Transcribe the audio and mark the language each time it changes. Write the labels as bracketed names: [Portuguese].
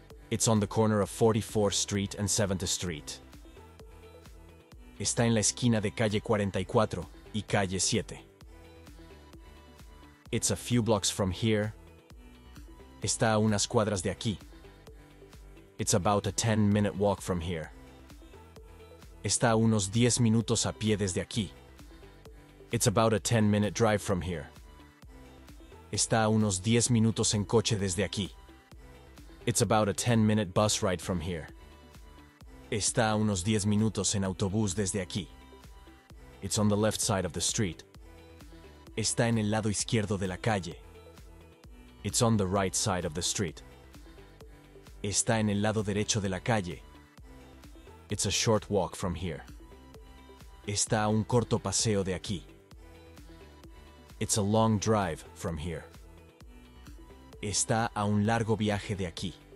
[English] It's on the corner of 44th Street and 7th Street. [Spanish] Está en la esquina de calle 44 y calle 7. [English] It's a few blocks from here. [Spanish] Está a unas cuadras de aquí. [English] It's about a 10-minute walk from here. [Spanish] Está a unos 10 minutos a pie desde aquí. [English] It's about a 10-minute drive from here. [Spanish] Está a unos 10 minutos en coche desde aquí. [English] It's about a 10-minute bus ride from here. [Spanish] Está a unos 10 minutos en autobús desde aquí. [English] It's on the left side of the street. [Spanish] Está en el lado izquierdo de la calle. [English] It's on the right side of the street. [Spanish] Está en el lado derecho de la calle. [English] It's a short walk from here. [Spanish] Está a un corto paseo de aquí. [English] It's a long drive from here. [Spanish] Está a un largo viaje de aquí.